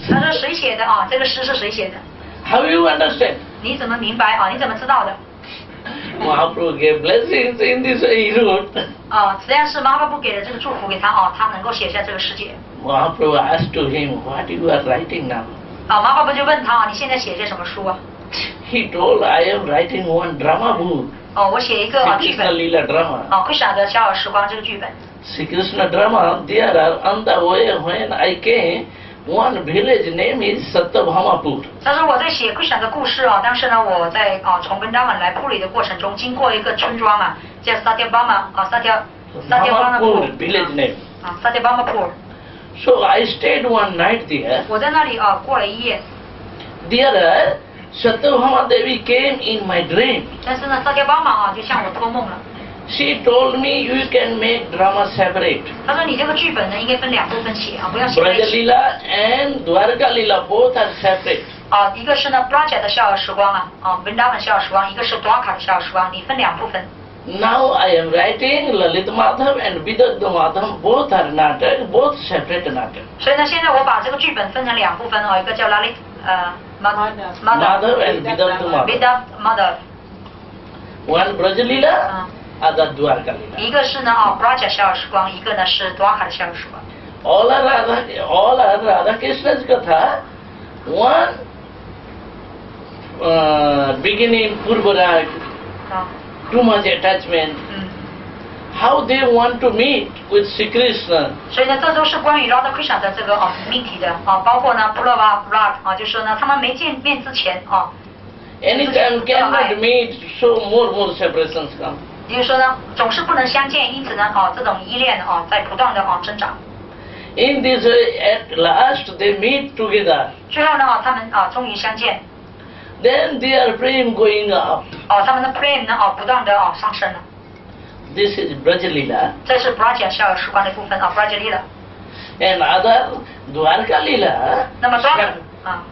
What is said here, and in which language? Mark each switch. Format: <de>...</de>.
<en>He said, who wrote this verse? This verse is who wrote it? How you understand? How do you understand? How do you know? Mahaprabhu gave blessings in this way, he wrote. Actually, Mahaprabhu gave this blessing to him. He can write this verse. Mahaprabhu asked to him, what you are writing now?</en> <zh>马哈布就问他你现在写些什么书啊</zh> <en>？He told I am writing one drama book.</en> <zh>哦，我写一个剧本。</zh> <en>Krishna Lila drama.</en> <zh>哦 ，Krishna 的《逍遥时光》这个剧本。</zh> <en>Sri Krishna drama. There are on the way when I came, one village name is Satyabhamapur.</en> <zh>他说我在写 Krishna 的故事啊，当时呢我在啊从文章来库里的过程中，经过一个村庄啊，叫 Satyabhamapur 啊 Satyabhamapur</zh> <en>village name.</en> <zh>啊 ，Satyabhamapur.</zh> <en>So I stayed one night there.</en> <zh>我在那里啊，过了一夜。</zh> <en>There, Satyabhama Devi came in my dream.</en> <zh>但是呢 ，Satyabhama 啊，就向我托梦了。</zh> <en>She told me you can make drama separate.</en> <zh>她说你这个剧本呢，应该分两部分写啊，不要写在一起。</zh> <en>Braja Lila and Dwarka Lila both are separate.</en> <zh>啊，一个是呢 ，Braja 的逍遥时光啊，啊 ，Vrindavan 逍遥时光，一个是 Dwarka 的逍遥时光，你分两部分。</zh> <en>Now I am writing Lalit Madhav and Vidarbha Madhav. Both are natak, both separate natak.</en> <zh>所以呢，现在我把这个剧本分成两部分哦，一个叫 Lalit</zh> <en>Madhav and Vidarbha Madhav. Vidarbha Madhav. One Braja Lila, other Dwarka Lila.</en> <zh>一个是呢哦 ，Braja 逍遥时光，一个呢是 Dwarka 的逍遥时光。</zh> <en>All are Radha Krishna's katha. One beginning Purvarag. Too much attachment. how they want to meet with Sri Krishna.</en> <zh>所以呢，这都是关于 Radha Krishna 的这个啊命题的啊，包括呢 Prabha Prad 啊，就是呢，他们没见面之前啊。</zh> <en>Anytime cannot meet, so more separations come.</en> <zh>就是说呢，总是不能相见，因此呢，啊，这种依恋啊，在不断的啊增长。</zh> <en>In this way, at last they meet together.</en> <zh>最后呢，啊，他们啊终于相见。</zh> <en>Then their prema going up.</en> <zh>哦，他们的 prema 呢，啊，不断的啊上升了。</zh> <en>This is Brajalila.</en> <zh>这是 Braja 下时光的部分啊 ，Brajalila.</zh> <en>And other Dwarka Lila.</en> <zh>那么多。啊</zh>